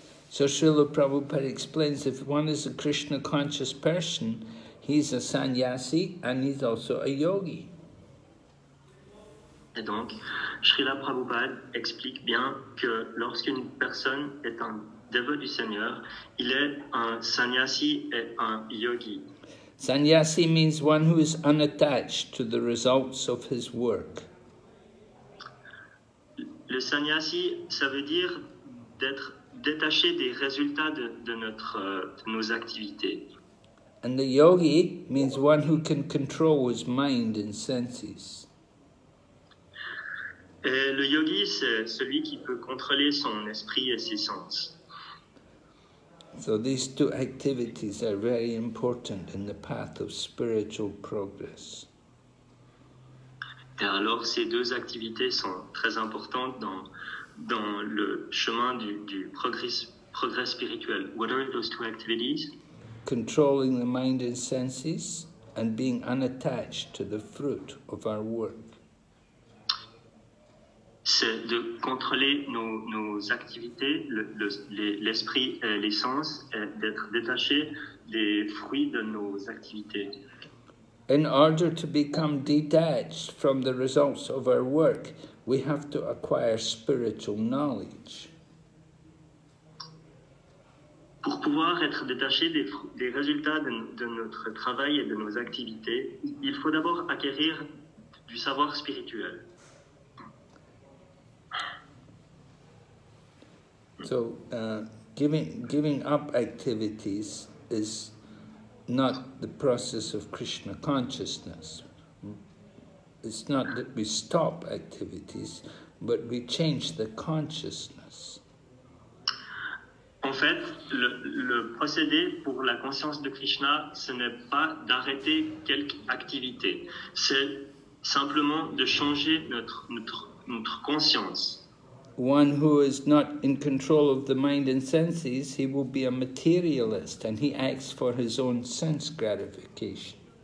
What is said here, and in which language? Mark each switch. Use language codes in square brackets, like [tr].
[en] So Srila Prabhupada explains, if one is a Krishna conscious person, he's a sannyasi and he's also a yogi. [fr] Et donc, Srila Prabhupada explique bien que lorsqu'une personne est un dévot du Seigneur, il est un sannyasi et un yogi. [en] Sannyasi means one who is unattached to the results of his work. [fr] Le sannyasi, ça veut dire d'être détaché des résultats de nos activités. [en] And the yogi means one who can control his mind and senses. [fr] Et le yogi, c'est celui qui peut contrôler son esprit et ses sens. [en] So these two activities are very important in the path of spiritual progress. [fr] Et alors ces deux activités sont très importantes dans dans le chemin du progrès spirituel. [en] What are those two activities? Controlling the mind and senses and being unattached to the fruit of our work. [fr] C'est de contrôler nos activités, l'esprit et les sens, et d'être détaché des fruits de nos activités. [en] In order to become detached from the results of our work, we have to acquire spiritual knowledge. [fr] Pour pouvoir être détaché des résultats de notre travail et de nos activités, il faut d'abord acquérir du savoir spirituel. [en] So, giving up activities is not the process of Krishna consciousness. It's not that we stop activities, but we change the consciousness. [fr] En fait, le procédé pour la conscience de Krishna, ce n'est pas d'arrêter quelque activité. C'est simplement de changer notre conscience. [en] One who is not in control of the mind and senses, he will be a materialist and he acts for his own sense gratification.